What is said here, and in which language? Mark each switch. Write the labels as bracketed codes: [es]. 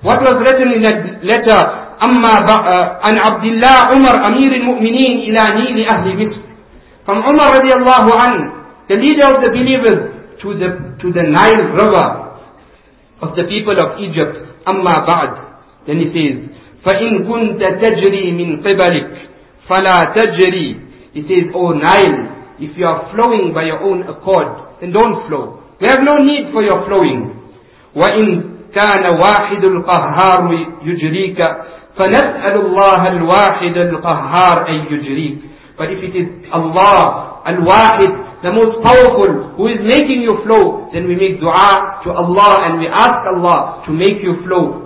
[en] What was written in that letter? [ar] An Abdullah Umar Amir al-Mu'mineen ila Nili Ahli Misr. [en] From Umar radiallahu an, the leader of the believers, to the Nile River of the people of Egypt. [ar] Amma ba'd. [en] Then he says, [ar] فَإِنْ كُنْتَ تَجْرِي مِنْ قِبَلِكَ فَلَا تَجْرِي. [en] He says, O Nile, if you are flowing by your own accord, then don't flow. We have no need for your flowing. [ar] وَإِنْ كَانَ وَاحِدُ الْقَهَّارُ يُجْرِيكَ فَنَسْأَلُ اللَّهَ الْوَاحِدُ الْقَهَّارُ أَيْ يُجْرِيكَ. [en] But if it is Allah, Al-Wahid, the most powerful, who is making you flow, then we make dua to Allah and we ask Allah to make you flow.